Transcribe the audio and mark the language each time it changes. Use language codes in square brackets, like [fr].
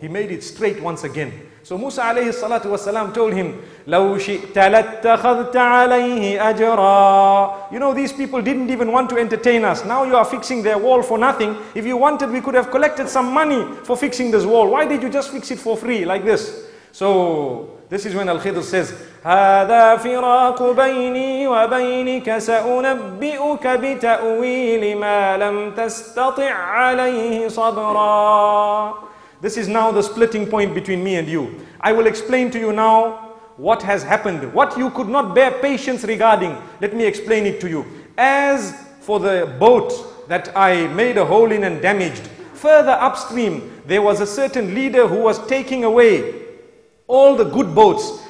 [en] He made it straight once again. So Musa alayhi salatu wasalam told him, [ar] لَوْ شِئْتَ لَتَّخَذْتَ عَلَيْهِ أَجْرًا. [en] You know, these people didn't even want to entertain us. Now you are fixing their wall for nothing. If you wanted, we could have collected some money for fixing this wall. Why did you just fix it for free like this? So this is when Al-Khidr says, [ar] هَذَا فِرَاقُ بَيْنِي وَبَيْنِكَ سَأُنَبِّئُكَ بِتَأْوِيلِ مَا لَمْ تَسْتَطِعْ عَلَيْهِ صَبْرًا. [en] This is now the splitting point between me and you. I will explain to you now what has happened. What you could not bear patience regarding, let me explain it to you. As for the boat that I made a hole in and damaged, further upstream, there was a certain leader who was taking away all the good boats.